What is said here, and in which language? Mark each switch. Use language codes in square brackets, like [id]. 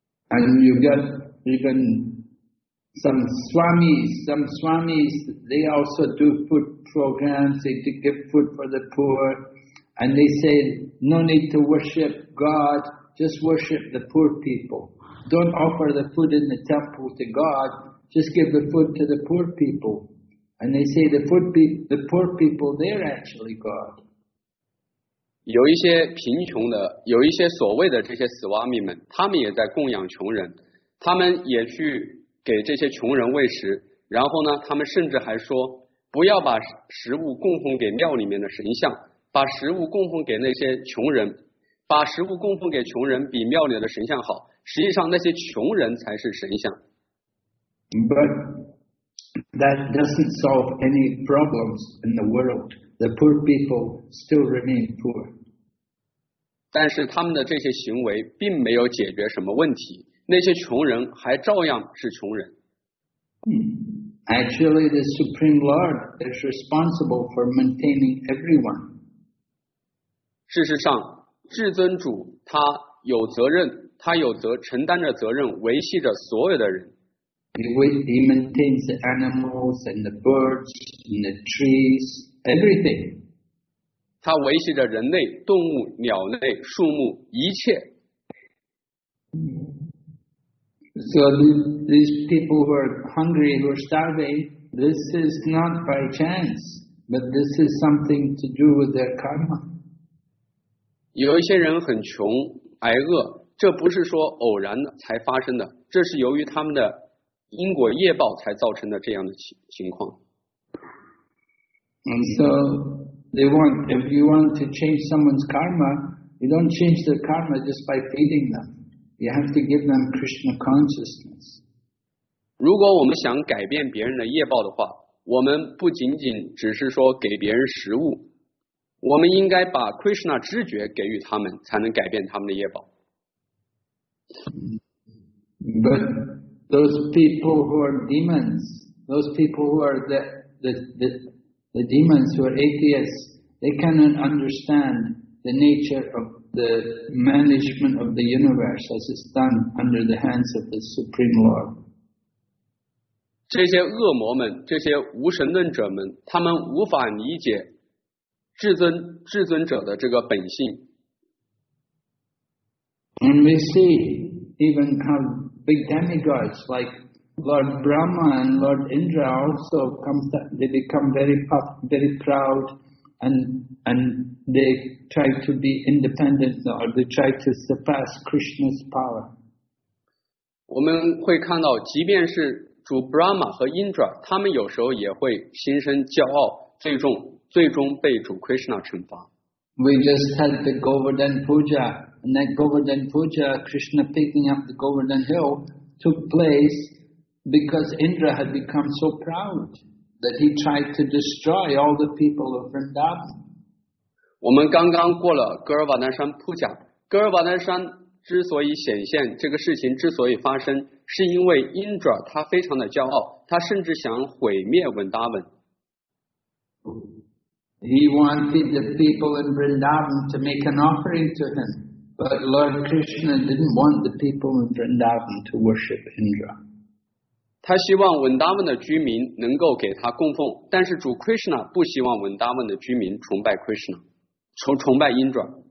[en] And you get even some swamis, they also do food programs, they give food for the poor, and they say no need to worship God, just worship the poor people. Don't offer the food in the temple to God, just give the food to the poor people. And they say the poor people, they're actually God. [zh] 有一些贫穷的，有一些所谓的这些斯瓦米们，他们也在供养穷人，他们也去给这些穷人喂食，然后呢，他们甚至还说，不要把食物供奉给庙里面的神像，把食物供奉给那些穷人，把食物供奉给穷人比庙里的神像好。实际上那些穷人才是神像。 [en] But that doesn't solve any problems in the world. The poor people still remain poor. [zh] 但是他们的这些行为并没有解决什么问题，那些穷人还照样是穷人。 [en] Actually, the Supreme Lord is responsible for maintaining everyone. [zh] 事实上，至尊主他有责任，他有责承担着责任，维系着所有的人。 [en] He maintains the animals and the birds and the trees, everything. [zh] 他维系着人类、动物、鸟类、树木一切。 [en] So these people who are hungry, who are starving, this is not by chance, but this is something to do with their karma. [zh] 有一些人很穷、挨饿。这不是说偶然才发生的，这是由于他们的因果业报才造成的这样的情况。 [en] And so, if you want to change someone's karma, you don't change their karma just by feeding them. You have to give them Krishna consciousness. [zh] 如果我们想改变别人的业报的话，我们不仅仅只是说给别人食物，我们应该把 Krishna 知觉给予他们，才能改变他们的业报。 [en] But those people who are demons, those people who are the demons who are atheists, they cannot understand the nature of the management of the universe as it's done under the hands of the Supreme Lord. [zh] 这些恶魔们，这些无神论者们，他们无法理解至尊者的这个本性。 [en] And we see even how big demigods like Lord Brahma and Lord Indra also become very puff, very proud, and they try to be independent or they try to surpass Krishna's power. [zh] 我们会看到，即便是主 Brahma 和 Indra， 他们有时候也会心生骄傲，最终被主 Krishna 惩罚。 [en] We just had the Govardhan Puja. And that Govardhan Puja, Krishna picking up the Govardhan Hill, took place because Indra had become so proud that he tried to destroy all the people of Vrindavan. [zh] 我们刚刚过了噶尔瓦丹山普贾，噶尔瓦丹山之所以显现，这个事情之所以发生，是因为 Indra 他非常的骄傲，他甚至想毁灭文达文。 [en] He wanted the people in Vrindavan to make an offering to him. But Lord Krishna didn't want the people in Vrindavan to worship Indra. [zh] 他希望文达文的居民能够给他供奉，但是主 Krishna 不希望文达文的居民崇拜 Krishna， 崇拜 Indra.